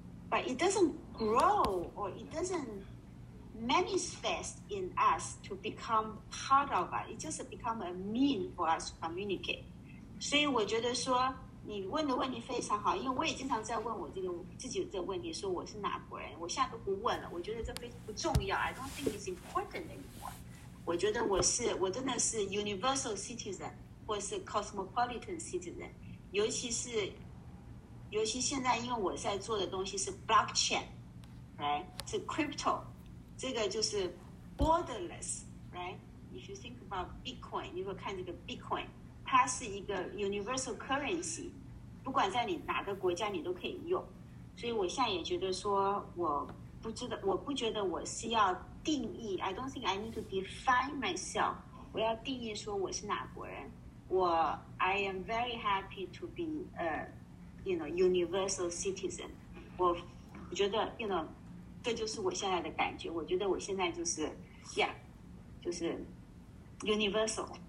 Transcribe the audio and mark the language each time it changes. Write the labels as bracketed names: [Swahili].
[English] But it doesn't grow or it doesn't manifest in us to become part of us. It just become a mean for us to communicate. [Chinese] 所以我觉得说你问的问题非常好，因为我也经常在问我这个自己这个问题，说我是哪国人，我现在都不问了，我觉得这非常不重要。 [English] I don't think it's important anymore. [Chinese] 我觉得我真的是 [English] universal citizen [Chinese] 或是 [English] cosmopolitan citizen, [Chinese] 尤其现在因为我在做的东西是 blockchain, [English] right? [Chinese] 是 crypto, 这个就是 borderless, [English] right? If you think about Bitcoin, [Chinese] 你会看这个 Bitcoin,它是一个 [English] universal currency, [Chinese] 不管在你哪个国家你都可以用。所以我现在也觉得说我不觉得我是要定义 [English] I don't think I need to define myself, [Chinese] 我要定义说我是哪国人。 [English] I am very happy to be a, you know, universal citizen. [Chinese] 我觉得 [English] you know, [Chinese] 这就是我现在的感觉。我觉得我现在就是 [English] yeah, [Chinese] 就是 universal.